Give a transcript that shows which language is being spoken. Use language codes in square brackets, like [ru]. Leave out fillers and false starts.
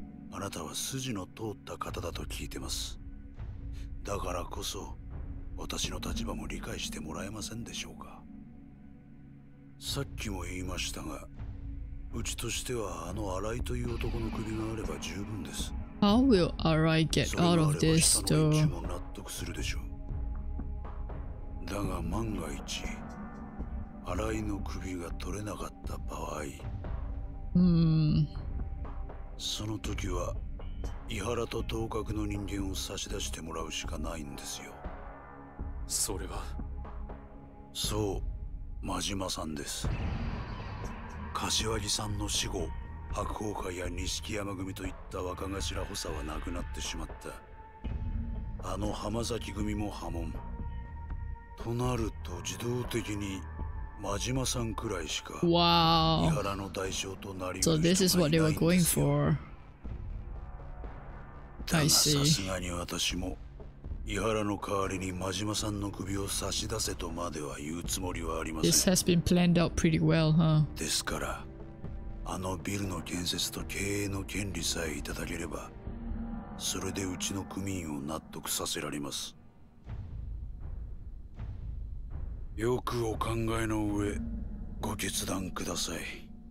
[ja] あなたは筋の通った方だと聞いてます。だからこそ私の立場も理解してもらえませんでしょうか。さっきも言いましたが、うちとしてはあの新井という男の首があれば十分です。 [en] How will Arai get out of this, though? [ja] それがあれば下の連中も納得するでしょう。だが万が一、Araiの首が取れなかった場合、その時は伊原と同格の人間を差し出してもらうしかないんですよ。それは、そう、真島さんです。柏木さんの死後、白鵬会や錦山組といった若頭補佐はなくなってしまった。あの浜崎組も破門となると、自動的に真島さんくらいしか伊原の代償となりうる人がいないんですよ。 [en] I see. [ja] だがさすがに私も伊原の代わりに真島さんの首を差し出せとまでは言うつもりはありません。 [en] This has been planned out pretty well, huh? [ja] ですから、あのビルの建設と経営の権利さえいただければ、それでうちの組員を納得させられます。よくお考えの上ご決断ください。